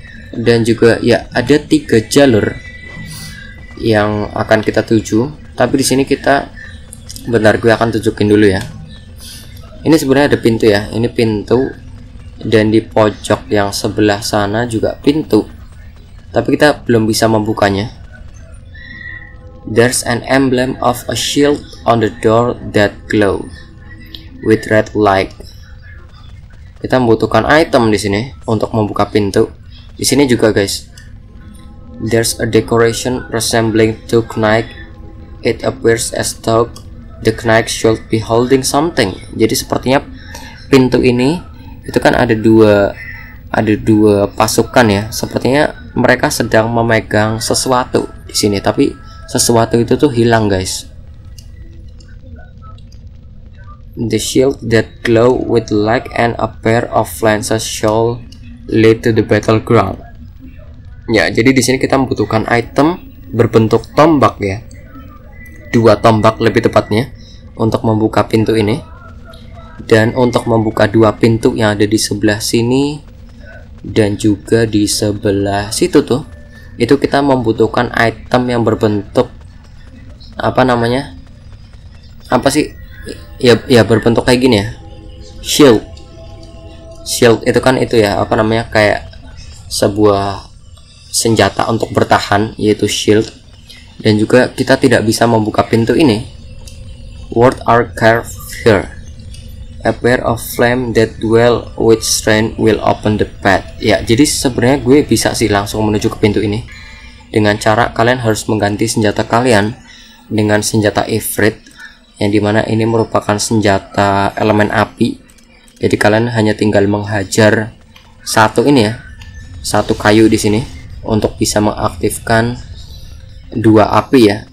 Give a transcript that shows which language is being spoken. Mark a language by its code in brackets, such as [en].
[id] Dan juga ya ada 3 jalur yang akan kita tuju. Tapi di sini kita benar, gue akan tunjukin dulu ya. Ini sebenarnya ada pintu ya. Ini pintu, dan di pojok yang sebelah sana juga pintu. Tapi kita belum bisa membukanya. [en] There's an emblem of a shield on the door that glow with red light. [id] Kita membutuhkan item di sini untuk membuka pintu. Di sini juga guys, [en] there's a decoration resembling two knights. It appears as though the knight should be holding something. [id] Jadi sepertinya pintu ini itu kan ada dua pasukan ya. Sepertinya mereka sedang memegang sesuatu di sini, tapi sesuatu itu tuh hilang guys. [en] The shield that glow with light and a pair of lances shall lead to the battleground. [id] Ya, jadi di sini kita membutuhkan item berbentuk tombak ya. 2 tombak lebih tepatnya untuk membuka pintu ini. Dan untuk membuka 2 pintu yang ada di sebelah sini dan juga di sebelah situ tuh, itu kita membutuhkan item yang berbentuk apa namanya? Apa sih? Ya, berbentuk kayak gini ya. Shield. Shield itu kan itu ya, apa namanya? Kayak sebuah senjata untuk bertahan, yaitu shield. Dan juga kita tidak bisa membuka pintu ini. [en] What are carved here? A pair of flame that dwell with strength will open the path. [id] Ya, jadi sebenarnya gue bisa sih langsung menuju ke pintu ini. Dengan cara kalian harus mengganti senjata kalian dengan senjata Ifrit, yang dimana ini merupakan senjata elemen api. Jadi kalian hanya tinggal menghajar satu ini ya, satu kayu di sini, untuk bisa mengaktifkan 2 api ya.